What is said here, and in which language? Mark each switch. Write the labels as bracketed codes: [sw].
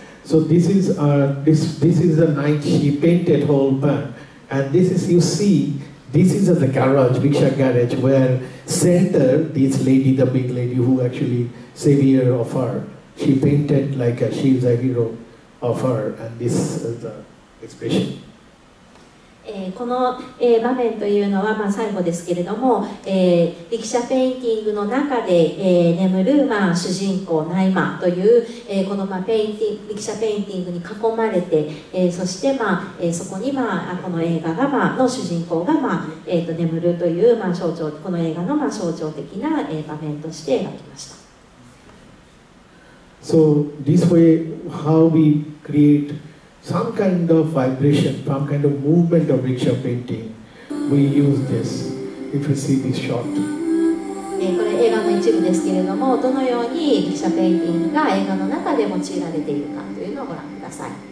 [en] So this is this is the night she painted whole band. And this is, you see, this is the garage, Bhiksha garage, where center, this lady, the big lady who actually savior of her, she painted like she is a hero of her, and this is the expression. [ja] この場面というのは、まあ、最後ですけれども、力車ペインティングの中で、眠る、まあ、主人公ナイマという、この、まあ、ペインティング力車ペインティングに囲まれて、そして、まあ、そこに、まあ、この映画が、まあの主人公が、まあ眠るという、まあ、象徴この映画の、まあ、象徴的な、場面として描きました。 [en] So this way how we createSome kind of vibration, some kind of movement of rickshaw painting. We use this. If you see this shot. [ja] これ映画の一部ですけれども、どのようにリクシャペインティングが映画の中で用いられているかというのをご覧ください。